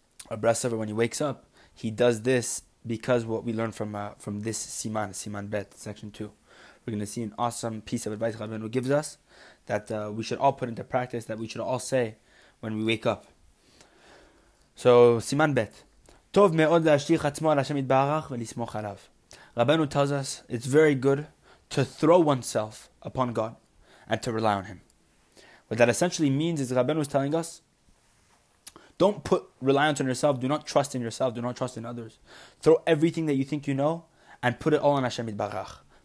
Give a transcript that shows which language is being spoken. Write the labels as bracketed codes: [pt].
[en] A Bresev, when he wakes up, he does this because what we learn from this Siman, Siman Bet, section 2. We're going to see an awesome piece of advice Rabbeinu gives us that we should all put into practice, that we should all say when we wake up. So, Siman Bet. [he] טוב מאוד להשליך עצמו על השם יתברך ולסמוך עליו. [en] Rabbeinu tells us it's very good to throw oneself upon God and to rely on Him. What that essentially means is Rabbeinu is telling us, don't put reliance on yourself, do not trust in yourself, do not trust in others. Throw everything that you think you know and put it all on Hashem Yitbarach.